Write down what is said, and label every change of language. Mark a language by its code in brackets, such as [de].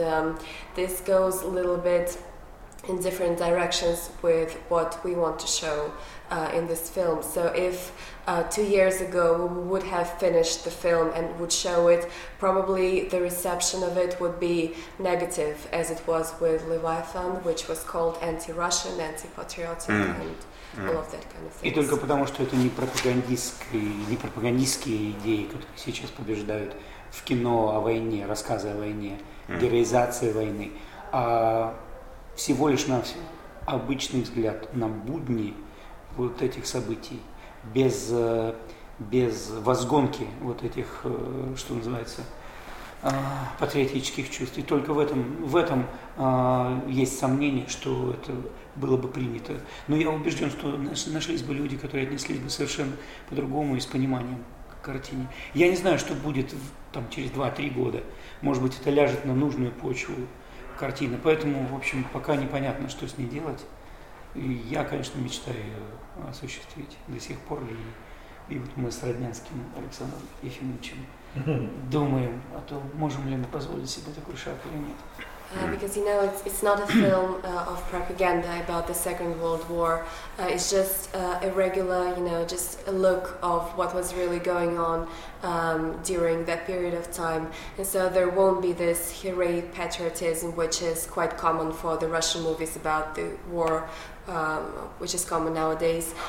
[en] and this goes a little bit in different directions with what we want to show in this film. So if 2 years ago we would have finished the film and would show it, probably the reception of it would be negative, as it was with Leviathan, which was called anti-Russian, anti-patriotic, mm. and mm. all of that kind of thing. [ru] И только потому, что это не пропагандистские идеи, которые сейчас побеждают в кино о войне, рассказы о войне, mm. героизации войны, а всего лишь навсего обычный взгляд на будни вот этих событий, без возгонки вот этих, что называется, патриотических чувств. И только в этом есть сомнение, что это было бы принято. Но я убежден, что нашлись бы люди, которые отнеслись бы совершенно по-другому и с пониманием к картине. Я не знаю, что будет там через 2-3 года. Может быть, это ляжет на нужную почву картины. Поэтому, в общем, пока непонятно, что с ней делать. Я, конечно, мечтаю осуществить до сих пор, и вот мы с Роднянским Александром Ефимовичем думаем о том, можем ли мы позволить себе такой шаг или нет. [en] Because, you know, it's not a film of propaganda about the Second World War. It's just a regular, you know, just a look of what was really going on during that period of time. And so there won't be this heroic patriotism, which is quite common for the Russian movies about the war, which is common nowadays.